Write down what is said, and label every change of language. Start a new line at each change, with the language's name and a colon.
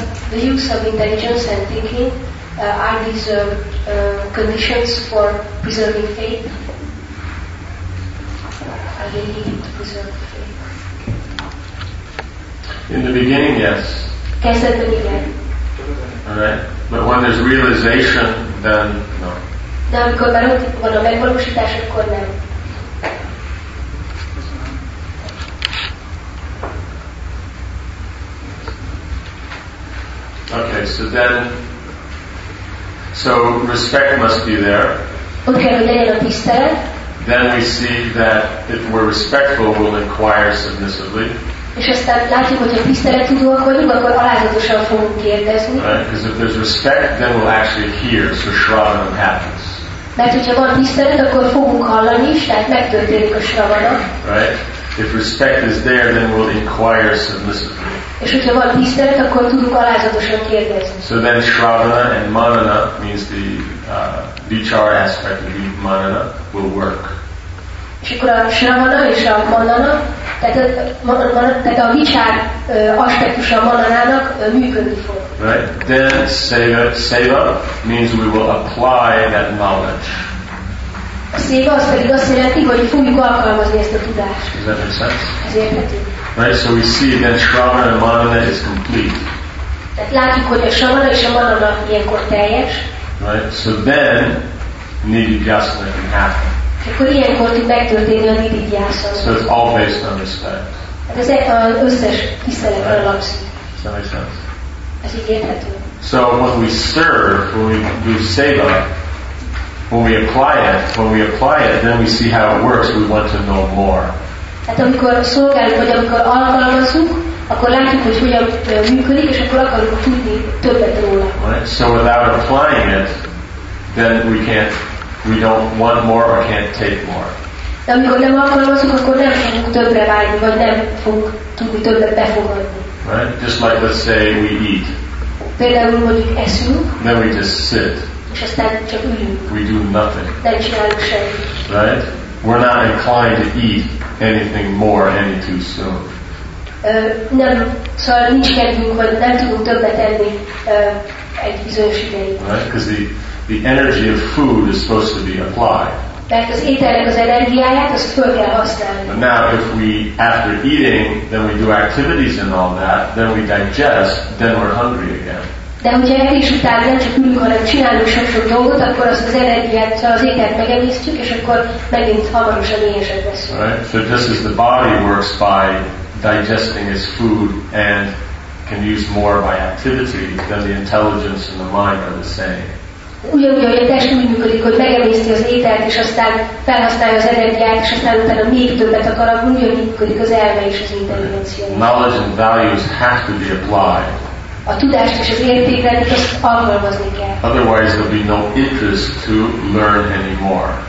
English: The use of intelligence and thinking are these conditions for preserving faith? Are they needed to preserve faith? In the beginning, yes.
Hungarian: Kezdetben igen.
English: All right, but when there's realization, then no.
Hungarian: De amikor már ott van a megvalósítás, akkor nem.
English: Okay, so then, so respect must be there. Okay, we lay on tisztelet. Then we see that if we're respectful, we'll inquire submissively.
Hungarian: És aztán látjuk, hogy a tisztelettudóak vagyunk, akkor alázatosan fogunk kérdezni.
English: Right, because if there's respect, then we'll actually hear, so shravanam happens.
Hungarian: Mert hogyha van tisztelet, akkor fogunk hallani is, tehát megtörténik a shravana.
English: Right. If respect is there, then we'll inquire submissively.
Hungarian: És hogyha van tisztelet, akkor tudunk alázatosan kérdezni.
English: So then shravana and manana means the vichara aspect of the manana will work.
Hungarian: És akkor a shravana és a manana, tehát a vichar aspektusa a mananának működni fog.
English: Right? Then seva means we will apply that knowledge.
Hungarian: A széva az pedig azt jelenti, hogy fogjuk alkalmazni ezt a tudást.
English: Does that make sense?
Hungarian: Ez érthető.
English: Right, so we see that shravana and manana is complete.
Hungarian: Tehát látjuk, hogy a shravana és a manana ilyenkor teljes.
English: Right, so then nididhyasana can happen.
Hungarian: Akkor ilyenkor tud megtörténni a nididhyasana.
English: So it's all based on respect.
Hungarian: Hát ez az összes tiszteletre alapszik.
English: Does that make sense?
Hungarian: Ez így érthető.
English: So when we serve, when we do seva, when we apply it, then we see how it works, we want to know more.
Hungarian: Hát amikor szolgáljuk, vagy amikor alkalmazunk, akkor látjuk, hogy hogyan működik, és akkor akarunk tudni többet róla.
English: Right? So without applying it, then we don't want more or can't take more.
Hungarian: De amikor nem alkalmazunk, akkor nem fogunk többre vágyni, vagy nem fogunk tudni többet befogadni.
English: Right? Just like let's say we eat.
Hungarian: Például mondjuk eszünk.
English: Then we just sit.
Hungarian: És aztán csak ülünk.
English: We do nothing.
Hungarian: Nem csinálunk semmit.
English: Right? We're not inclined to eat anything more any too soon.
Hungarian: Nem, szóval nincs kedvünk, vagy nem tudunk többet enni egy bizonyos ideig.
English: Right? Because the energy of food is supposed to be applied.
Hungarian: Mert az ételnek az energiáját, azt föl kell használni.
English: But now if we, after eating, then we do activities and all that, then we digest, then we're hungry again.
Hungarian: De hogyha etés után nem csak ülünk, hanem csinálunk sok-sok dolgot, akkor azt az energiát, az ételt megemésztjük, és akkor megint hamarosan éhesek leszünk.
English: Right? So just as the body works by digesting its food and can use more by activity, then the intelligence and the mind are the same.
Hungarian: Ugyanúgy, ahogy a test úgy működik, hogy megemészti az ételt, és aztán felhasználja az energiát, és aztán utána még többet akar, ugyanúgy működik az elme és az intelligencia.
English: Right. Knowledge and values have to be applied.
Hungarian: A tudást és az értékrendet azt alkalmazni kell.
English: Otherwise there'll be no interest to learn anymore.